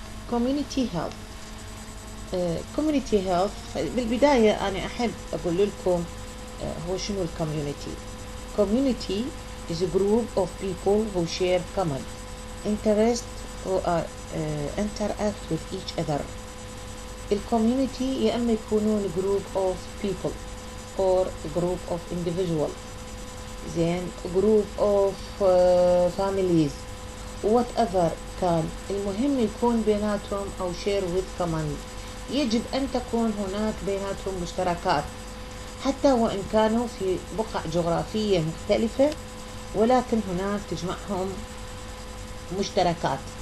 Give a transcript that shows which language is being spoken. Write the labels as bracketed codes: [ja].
[ar] كوميونيتي هيلث، كوميونيتي هيلث بالبداية أنا أحب أقول لكم هو شنو الكوميونيتي. [en] Community is a group of people who share common interests who interact with each other. [ar] الكوميونيتي يا اما يكونون [en] group of people or group of individual، [ar] زين [en] group of families whatever [ar] كان، المهم يكون بيناتهم او [en] share with common، [ar] يجب ان تكون هناك بيناتهم مشتركات حتى وان كانوا في بقع جغرافية مختلفة، ولكن هناك تجمعهم مشتركات.